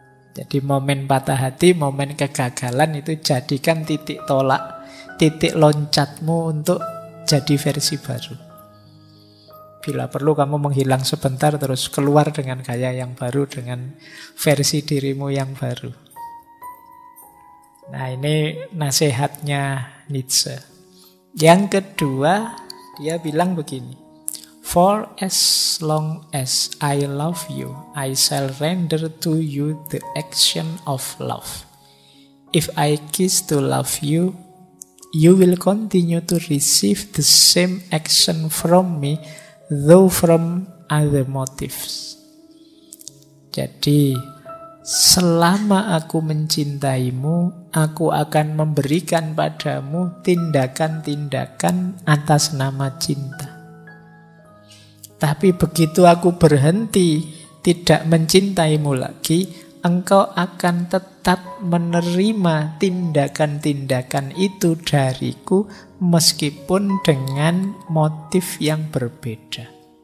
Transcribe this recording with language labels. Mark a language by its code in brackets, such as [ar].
[id] Jadi momen patah hati, momen kegagalan itu jadikan titik tolak, titik loncatmu untuk jadi versi baru. Bila perlu kamu menghilang sebentar terus keluar dengan gaya yang baru, dengan versi dirimu yang baru. Nah ini nasihatnya Nietzsche. Yang kedua dia bilang begini, [en] for as long as I love you, I shall render to you the action of love. If I kiss to love you, you will continue to receive the same action from me, though from other motives. [id] Jadi, selama aku mencintaimu, aku akan memberikan padamu tindakan-tindakan atas nama cinta. Tapi begitu aku berhenti tidak mencintaimu lagi, engkau akan tetap menerima tindakan-tindakan itu dariku meskipun dengan motif yang berbeda.